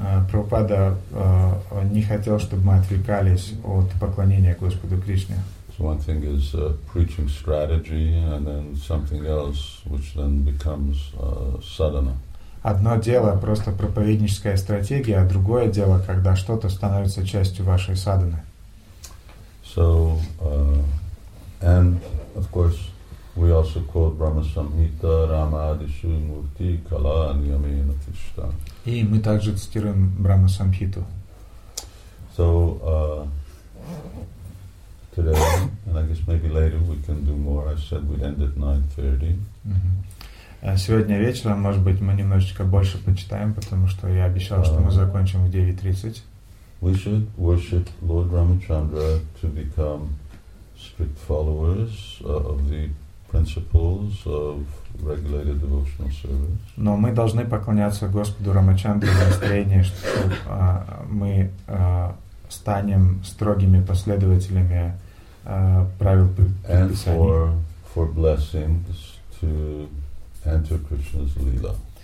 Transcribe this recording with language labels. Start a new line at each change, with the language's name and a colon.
Russian: Прабхупада не хотел, чтобы мы отвлекались от поклонения Господу Кришне.
English: So one thing is preaching strategy, and then something else, which then becomes sadhana.
Russian: Одно дело — просто проповедническая стратегия, а другое дело — когда что-то становится частью вашей садханы.
English: So, and, of course, we also quote Brahma Samhita, Rama Adishu, Murti, Kala, Niyami, Natishta.
Russian: И мы также цитируем Брахма Самхиту.
English: So, today, and I guess maybe later we can do more, I said we'd end at 9:30.
Russian: Сегодня вечером, может быть, мы немножечко больше почитаем, потому что я обещал, что мы закончим в 9:30.
English: We should worship Lord Ramachandra to become strict followers of the principles of regulated devotional service.
Russian: Но мы должны поклоняться Господу Рамачандре в настроении, что мы станем строгими последователями правил предписаний.
English: And for blessings to enter Krishna's Lila.